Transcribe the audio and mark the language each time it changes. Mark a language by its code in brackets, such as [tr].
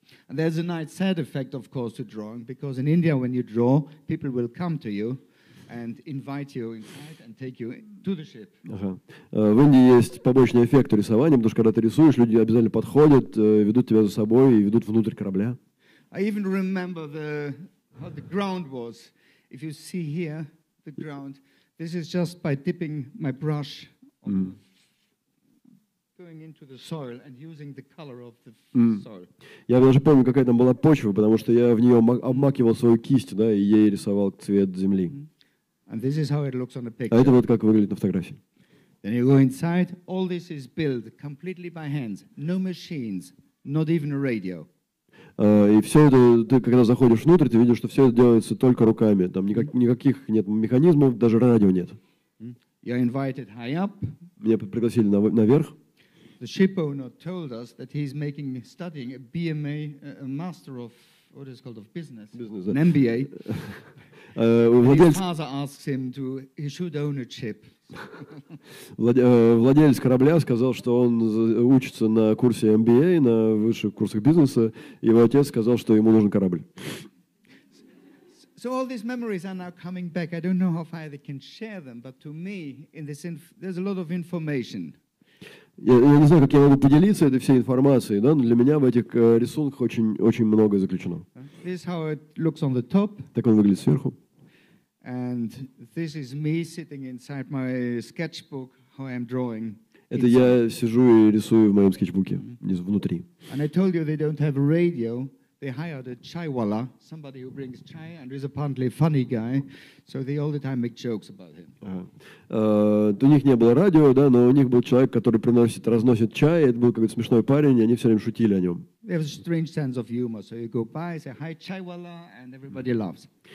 [en] And there's a nice side effect, of course, to drawing, because in India, when you draw, people will come to you. And invite you inside and take you to the ship. [ru] В Индии есть побочный эффект рисования, потому что когда ты рисуешь, люди обязательно подходят, ведут тебя за собой и ведут внутрь корабля. [en] I even remember how the ground was. If you see here the ground, this is just by dipping my brush, going into the soil and using the color of the soil. [ru] Я даже помню, какая там была почва, потому что я в нее обмакивал свою кисть, да, и ей рисовал цвет земли. [en] And this is how it looks on the picture. [ru] А это вот как выглядит на фотографии. [en] Then you go inside. All this is built completely by hands. No machines. Not even a radio. [ru] И все это, ты когда заходишь внутрь, ты видишь, что все это делается только руками. Там никаких нет механизмов, даже радио нет. [en] You're invited high up. [ru] Меня пригласили наверх. [en] The ship owner told us that he's making studying a BMA, a master of what is called of business, business an MBA. [ru] Владелец... [en] His father asks him to, he should own a ship. [ru] Владелец корабля сказал, что он учится на курсе MBA, на высших курсах бизнеса. Его отец сказал, что ему нужен корабль. [en] So all these memories are now coming back. I don't know how far they can share them, but to me, in this there's a lot of information. [ru] Я не знаю, как я могу поделиться этой всей информацией, да? Но для меня в этих рисунках очень, очень многое заключено. [en] This is how it looks on the top. [ru] Так он выглядит сверху. [en] And this is me sitting inside my sketchbook, how I'm drawing. [ru] Это я сижу и рисую в моем скетчбуке внутри. [en] And I told you they don't have a radio. They hired a chaiwala, somebody who brings chai and is apparently a funny guy, so they all the time make jokes about him. [ru] У них не было радио, да, но у них был человек, который приносит, разносит чай. Это был какой-то смешной парень, и они все время шутили о нем. [en] They have a strange sense of humor, so you go by, say hi, chaiwala, and everybody laughs.